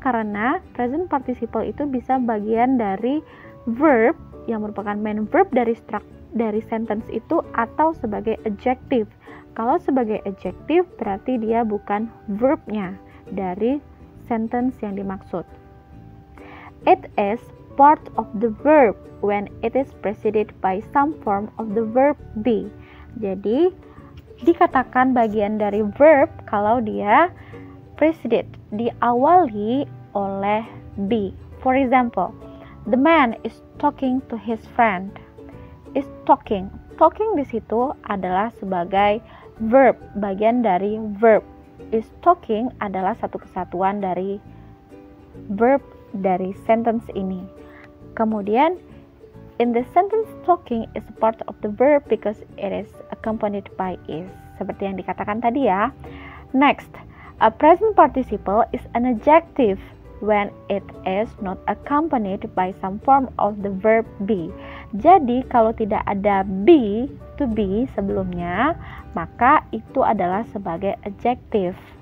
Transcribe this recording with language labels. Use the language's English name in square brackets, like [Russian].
[Indonesian] Karena present participle itu bisa bagian dari verb, yang merupakan main verb dari sentence itu, atau sebagai adjective. Kalau sebagai adjective, berarti dia bukan verbnya dari sentence yang dimaksud. [English] It is part of the verb when it is preceded by some form of the verb be. [Indonesian] Jadi, dikatakan bagian dari verb kalau dia preceded, diawali oleh be. [English] For example, the man is talking to his friend. Is talking. [Indonesian] Talking di situ adalah sebagai verb, bagian dari verb. Is talking adalah satu kesatuan dari verb dari sentence ini. [English] Kemudian, in the sentence, talking is part of the verb because it is accompanied by is. [Indonesian] Seperti yang dikatakan tadi ya. [English] Next, a present participle is an adjective when it is not accompanied by some form of the verb be. [Indonesian] Jadi, kalau tidak ada be, to be sebelumnya, maka itu adalah sebagai adjective.